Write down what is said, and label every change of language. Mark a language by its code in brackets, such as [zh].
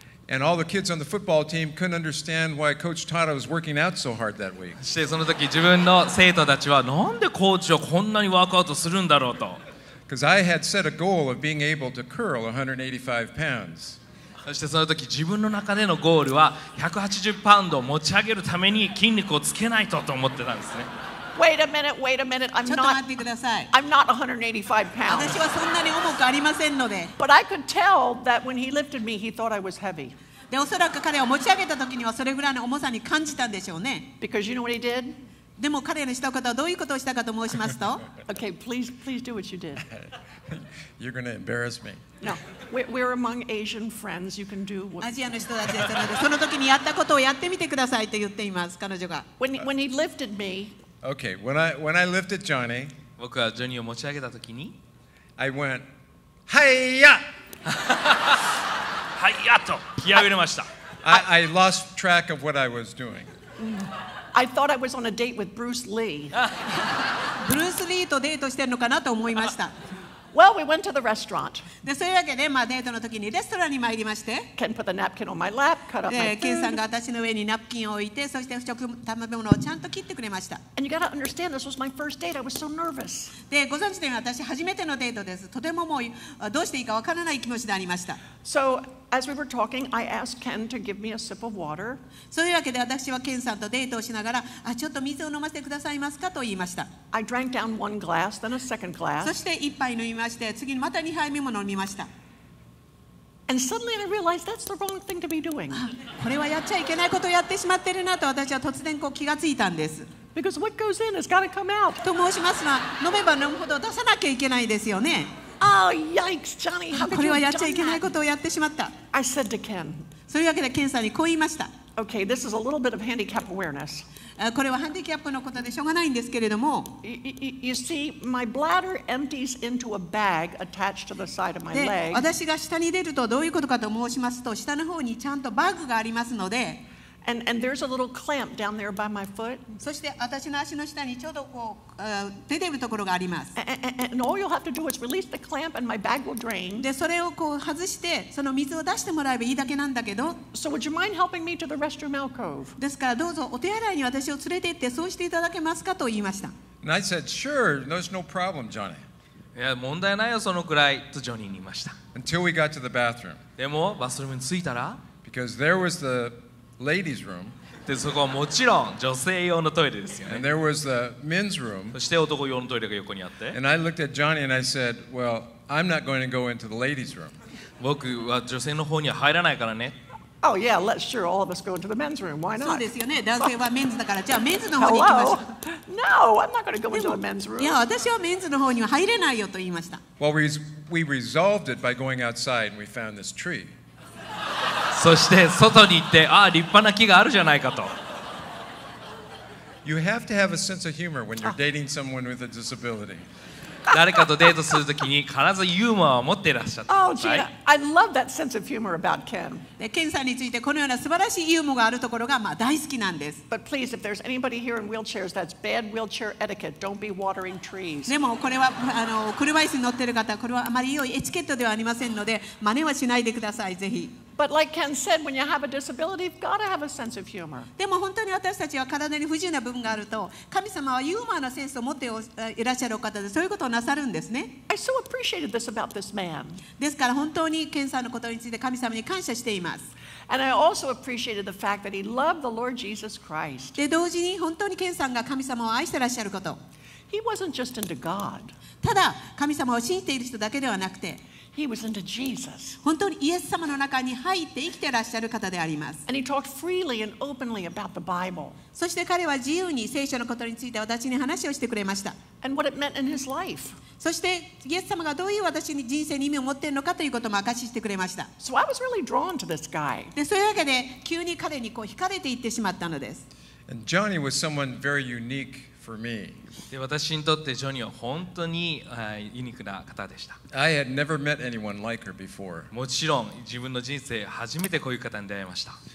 [en] And all the kids on the football team couldn't understand why Coach Tata was working out so hard that week. [ja] そしてその時自分の生徒たちはなんでコーチをこんなにワークアウトするんだろうと。 [en] Because I had set a goal of being able to curl 185 pounds. [ja] そしてその時自分の中でのゴールは180パウンドを持ち上げるために筋肉をつけないとと思ってたんですね。 [en] Wait a minute, wait a minute. I'm not, I'm not 185 pounds. [ja] 私はそんなに重くありませんので。 [en] But I could tell that when he lifted me, he thought I was heavy. [ja] で、おそらく彼を持ち上げた時にはそれぐらいの重さに感じたんでしょうね。 [en] Because you know what he did? [ja] でも彼のしたことはどういうことをしたかと申しますと。 [en] Okay, please, please do what you did. You're going to embarrass me. No, we're among Asian friends. You can do what. [ja] アジアの人たちですので、その時にやったことをやってみてくださいと言っています、彼女が。 [en] When he lifted me, Okay, when I lifted Johnny, [ja] 僕はジョニーを持ち上げたときに [en] I went, はいや [ja] はいやと気合を入れました。 [en] I lost track of what I was doing. I thought I was on a date with Bruce Lee. [ja] ブルース・リーとデートしてるのかなと思いました。 [en] Well, we went to the restaurant. [ja] で、そういうわけで、まあ、デートの時にレストランに参りまして、 [en] Ken put the napkin on my lap, cut up my food. [ja] ケンさんが私の上にナプキンを置いて、そして食べ物をちゃんと切ってくれました。 [en] And you gotta understand, this was my first date. I was so nervous. [ja] で、ご存知のように私初めてのデートです。とてももうどうしていいかわからない気持ちでありました。 [en] So, as we were talking, I asked Ken to give me a sip of water. [ja] そういうわけで私はケンさんとデートをしながら、あ、ちょっと水を飲ませてくださいますかと言いました。 [en] I drank down one glass, then a second glass. [ja] そして一杯飲みました。次にまた2杯目も飲みました。 [en] And suddenly I realized that's the wrong thing to be doing. [ja] これはやっちゃいけないことをやってしまってるなと私は突然こう気がついたんです。 [en] Because what goes in has got to come out. [ja] と申しますが、飲めば飲むほど出さなきゃいけないですよね。 [en] Oh, yikes, Johnny, how [ja] これはやっちゃいけないことをやってしまった。 [en] I said to Ken. [ja] そういうわけでケンさんにこう言いました。 [en] Okay, this is a little bit of handicap awareness. [ja] これはハンディキャップのことでしょうがないんですけれども。 [en] You see, my bladder empties into a bag attached to the side of my leg. [ja] で、私が下に出るとどういうことかと申しますと、下の方にちゃんとバッグがありますので。 [en] And there's a little clamp down there by my foot. [ja] そして私の足の下にちょうどこう出ているところがあります。 [en] And all you'll have to do is release the clamp and my bag will drain. [ja] で、それをこう外してその水を出してもらえばいいだけなんだけど。 [en] So would you mind helping me to the restroom alcove? [ja] ですからどうぞお手洗いに私を連れて行ってそうしていただけますかと言いました。 [en] And I said, sure, there's no problem, Johnny. [ja] いや問題ないよそのくらいとジョニーに言いました。 [en] Until we got to the bathroom. [ja] でもバスルームに着いたら。 [en] Because there was theladies room. [ja] で、そこはもちろん女性用のトイレですよね。 [en] And there was the men's room. [ja] そして男用のトイレが横にあって。 [en] And I looked at Johnny and I said, well, I'm not going to go into the ladies room. [ja] 僕は女性の方には入らないからね。 [en] Oh yeah, let's sure all of us go into the men's room. Why not? [ja] そうですよね。男性はメンズだから、じゃあメンズの方に行きましょう。 [en] Hello? No, I'm not going to go into the men's room. [ja] いや、私はメンズの方には入れないよと言いました。 [en] Well, we resolved it by going outside and we found this tree. [ja] そして外に行って、ああ立派な木があるじゃないかと。 [en] You have to have a sense of humor when you're dating someone with a disability. [ja] 誰かとデートするときに必ずユーモアを持っていらっしゃった。 [en] Oh, Gina, I love that sense of humor about Ken. [ja] Ken さんについてこのような素晴らしいユーモアがあるところがまあ大好きなんです。 [en] But please, if there's anybody here in wheelchairs, that's bad wheelchair etiquette. Don't be watering trees. [ja] でもこれは車椅子に乗っている方、これはあまり良いエチケットではありませんので、真似はしないでください、ぜひ。 [en] But like Ken said, when you have a disability, you've got to have a sense of humor. [ja] でも本当に私たちは体に不自由な部分があると、神様はユーモアのセンスを持っていらっしゃる方で、そういうことをなさるんですね。 [en] I so appreciated this about this man. [ja] ですから本当にケンさんのことについて神様に感謝しています。 [en] And I also appreciated the fact that he loved the Lord Jesus Christ. [ja] で、同時に本当にケンさんが神様を愛していらっしゃること。 [en] He wasn't just into God. [ja] ただ神様を信じている人だけではなくて、 [en] He was into Jesus. [ja] 本当にイエス様の中に入って生きてらっしゃる方であります。 [en] And he talked freely and openly about the Bible. [ja] そして彼は自由に聖書のことについて私に話をしてくれました。 [en] And what it meant in his life. [ja] そしてイエス様がどういう私に人生に意味を持っているのかということも明かししてくれました。 [en] So I was really drawn to this guy. [ja] で、そういうわけで急に彼にこう惹かれていってしまったのです。 [en] And Johnny was someone very unique for me. [ja] で私にとってジョニーは本当に、ユニークな方でした。 [en] I had never met anyone like her before. [ja] もちろん自分の人生初めてこういう方に出会いました。